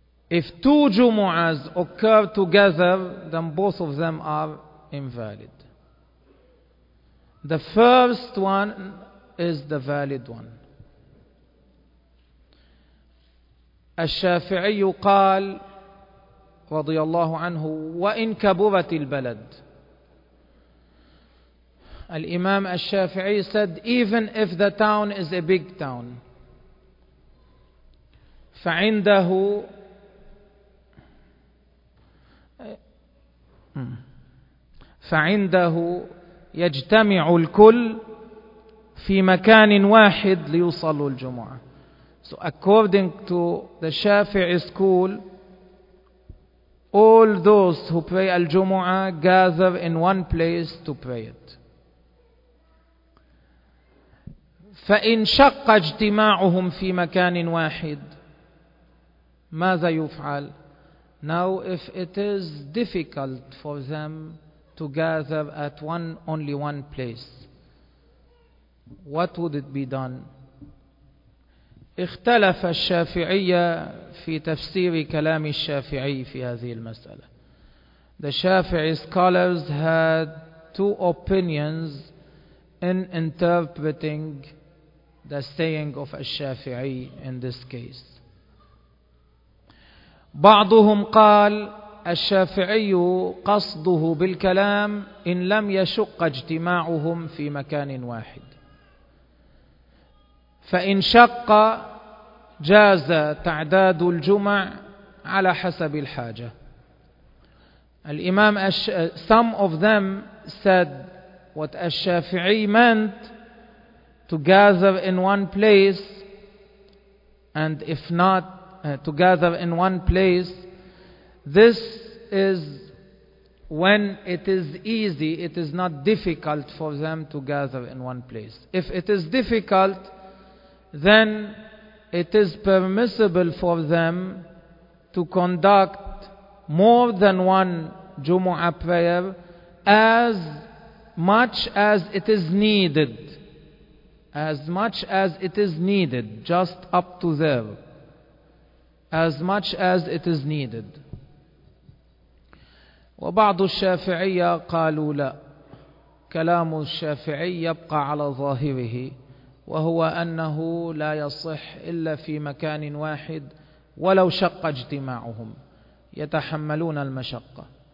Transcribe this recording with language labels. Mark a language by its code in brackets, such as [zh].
[en] If two Jumu'ahs occur together, then both of them are invalid. The first one is the valid one. [ar] الشافعي قال رضي الله عنه وإن كبرت البلد. الإمام الشافعي [en] said, even if the town is a big town, [ar] فعنده فعنده يجتمع الكل في مكان واحد ليصلوا الجمعة. [en] So according to the Shafi'i school, all those who pray al-Jumu'ah gather in one place to pray it. [ar] فإن شق اجتماعهم في مكان واحد ماذا يفعل؟ [en] Now if it is difficult for them to gather at one only one place, what would it be done? [ar] اختلف الشافعية في تفسير كلام الشافعي في هذه المسألة. [en] The Shafi'i scholars had two opinions in interpreting the saying of al-Shafi'i in this case. [ar] بعضهم قال الشافعي قصده بالكلام إن لم يشق اجتماعهم في مكان واحد. فإن شق جاز تعداد الجمع على حسب الحاجة. [en] الإمام some of them said what الشافعي meant to gather in one place and if not to gather in one place, this is when it is easy, it is not difficult for them to gather in one place. If it is difficult, then it is permissible for them to conduct more than one Jumu'ah prayer as much as it is needed. As much as it is needed, just up to there. As much as it is needed. [ar] وبعض الشافعية قالوا لا كلام الشافعي يبقى على ظاهره وهو أنه لا يصح إلا في مكان واحد ولو شق اجتماعهم يتحملون المشقة.